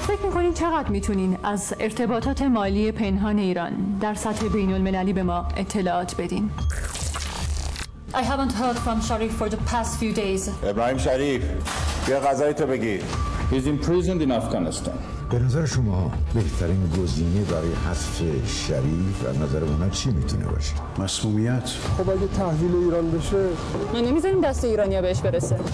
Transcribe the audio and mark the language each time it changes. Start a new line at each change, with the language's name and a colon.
Persian: شمایی چقدر میتونین از ارتباطات مالی پنهان ایران در سطح بین المللی به ما اطلاعات بدین؟
English: I haven't heard from Sharif for the past few days.
Persian: ابراهیم شریف، بیا غذای تو بگیر.
English: He's imprisoned in Afghanistan.
Persian: به نظر شما بهترین گزینه برای حذف شریف از نظر اونا چی میتونه باشه؟ مسمومیت. خب اگه تحویل ایران بشه؟ ما نمیذاریم دست ایرانیا بهش برسه.